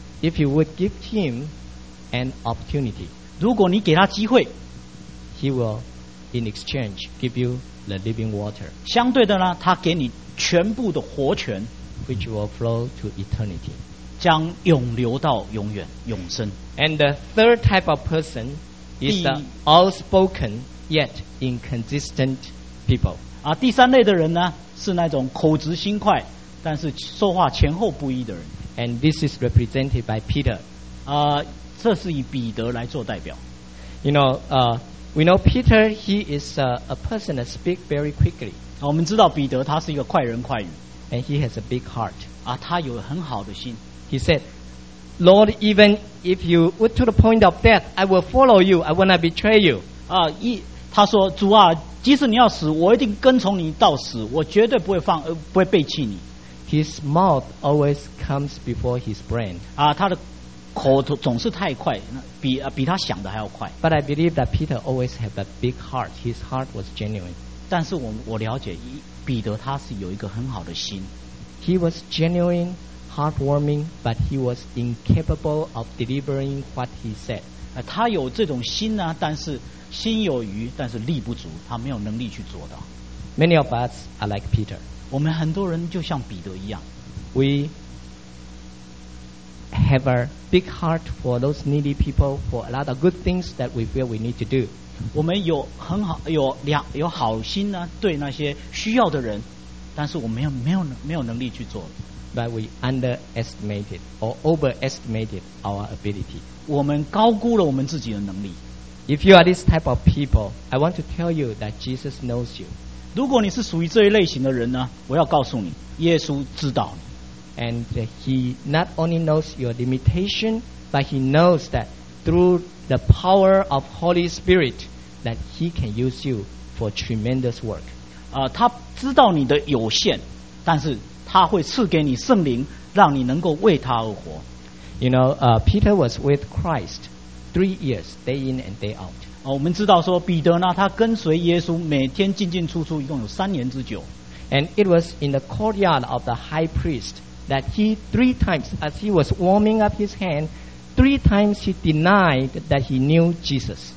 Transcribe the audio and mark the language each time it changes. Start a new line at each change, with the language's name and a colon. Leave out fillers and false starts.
English: If you would give him an opportunity,
Chinese: 如果你给他机会
English: he will, in exchange, give you the living water.
Chinese: 相对的呢，他给你全部的活泉
English: which will flow to eternity,
Chinese: 将永流到永远，永生。
English: And the third type of person is the outspoken yet inconsistent people.
Chinese: 啊、第三类的人呢是那种口直心快但是说话前后不一的人
English: And this is represented by Peter、
Chinese: 这是以彼得来做代表
English: You know,、we know Peter, he is a person that speaks very quickly、
Chinese: 啊、我们知道彼得他是一个快人快语
English: And he has a big heart、
Chinese: 啊、他有很好的心
English: He said, Lord, even if you were to the point of death, I will follow you, I will not betray you、
Chinese: 他说主啊即使你要死我一定跟从你到死我绝对不会放、不会背弃你
English: His mouth always comes before his brain
Chinese: 啊，他的口总是太快 比他想的还要快
English: But I believe that Peter always had a big heart His heart was genuine
Chinese: 但是 我了解彼得他是有一个很好的心
English: He was genuine, heartwarming But he was incapable of delivering what he said、
Chinese: 啊、他有这种心呢、啊、但是心有余但是力不足他没有能力去做到
English: Many of us are like Peter
Chinese: 我们很多人就像彼得一样
English: We have a big heart for those needy people for a lot of good things that we feel we need to do
Chinese: 我们有很好 有好心呢对那些需要的人但是我们没有能力去做
English: But we underestimated or overestimated our ability
Chinese: 我们高估了我们自己的能力
English: If you are this type of people, I want to tell you that Jesus knows you.
Chinese: 如果你是属于这一类型的人呢，我要告诉你，耶稣知道你。
English: And he not only knows your limitation, but he knows that through the power of Holy Spirit, that he can use you for tremendous work.
Chinese: 他知道你的有限，但是他会赐给你圣灵，让你能够为他而活。
English: You know, Peter was with Christ. 3 years, day in and day out.、
Chinese: 哦、我们知道说彼得呢，他跟随耶稣每天进进出出，一共有3年之久。
English: And it was in the courtyard of the high priest that he three times, as he was warming up his hand, three times he denied that he knew Jesus.